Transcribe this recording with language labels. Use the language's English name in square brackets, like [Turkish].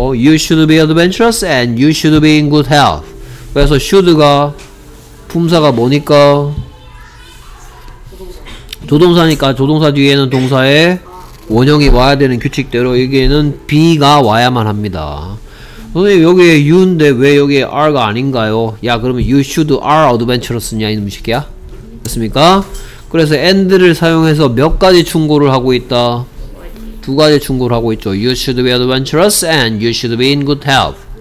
[English] You should be adventurous and you should be in good health. [Korean] 그래서 should가 품사가 뭐니까 조동사니까 조동사 뒤에는 동사에 원형이 와야 되는 규칙대로 여기에는 B가 와야만 합니다. 선생님 여기에 U인데 왜 여기에 R가 아닌가요? 야 그러면 [English] You should are adventurous [Korean] 냐 이놈의 새끼야? 됐습니까? 그래서 AND를 사용해서 몇 가지 충고를 하고 있다? 두 가지 충고를 하고 있죠. [English] You should be adventurous and you should be in good health.